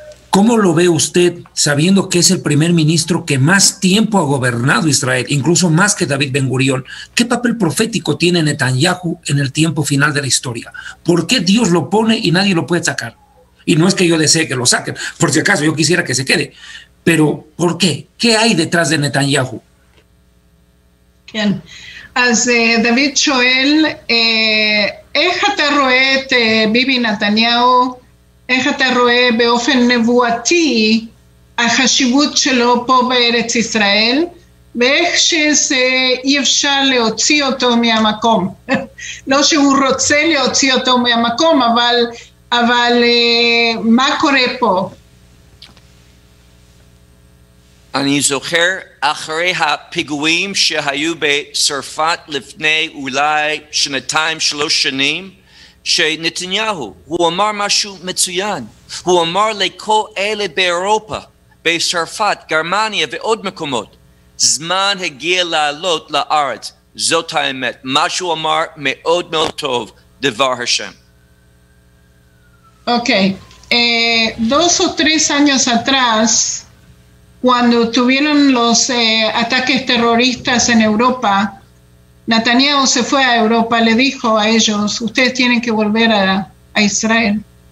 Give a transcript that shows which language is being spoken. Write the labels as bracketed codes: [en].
[es] ¿Cómo lo ve usted sabiendo que es el primer ministro que más tiempo ha gobernado Israel, incluso más que David Ben-Gurión? ¿Qué papel profético tiene Netanyahu en el tiempo final de la historia? ¿Por qué Dios lo pone y nadie lo puede sacar? Y no es que yo desee que lo saquen, por si acaso yo quisiera que se quede. Pero ¿por qué? ¿Qué hay detrás de Netanyahu? Bien. [he] As David Choel, Ejaterroet, Bibi Netanyahu, איך אתה רואה באופן נבואתי החשיבות שלו פה בארץ ישראל, ואיך שזה אי אפשר להוציא אותו מהמקום. לא שהוא רוצה להוציא אותו מהמקום, אבל מה קורה פה? אני זוכר אחרי הפיגועים שהיו בצרפת לפני אולי שנתיים, שלוש שנים, שנתניהו, הוא אמר משהו מצוין. הוא אמר לכל אלה באירופה, בצרפת, גרמניה ועוד מקומות, זמן הגיע לעלות לארץ. זאת האמת. מה שהוא אמר מאוד מאוד טוב, דבר השם. Okay. [es] Dos o tres años atrás, cuando tuvieron los ataques terroristas en Europa, Netanyahu se fue a Europa, le dijo a ellos, ustedes tienen que volver a Israel.